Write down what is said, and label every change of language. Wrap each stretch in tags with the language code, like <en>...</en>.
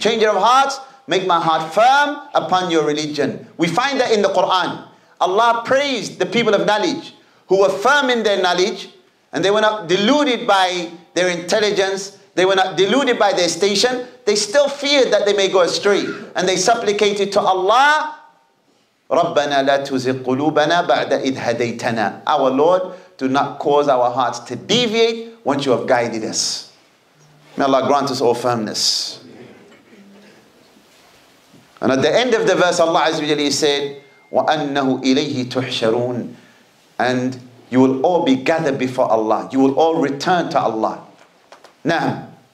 <en>Changer of hearts, make my heart firm upon your religion. We find that in the Qur'an. Allah praised the people of knowledge who were firm in their knowledge and they were not deluded by their intelligence, they were not deluded by their station, they still feared that they may go astray. And they supplicated to Allah,</en> <ar>رَبَّنَا لَا تُزِقْ قُلُوبَنَا بَعْدَ إِذْ هَدَيْتَنَا.</ar> <en>Our Lord, do not cause our hearts to deviate once you have guided us. May Allah grant us all firmness. And at the end of the verse, Allah Azza wa Jalla said,</en> <ar>وَأَنَّهُ إِلَيْهِ تُحْشَرُونَ.</ar> <en>And you will all be gathered before Allah. You will all return to Allah. Na'am.</en>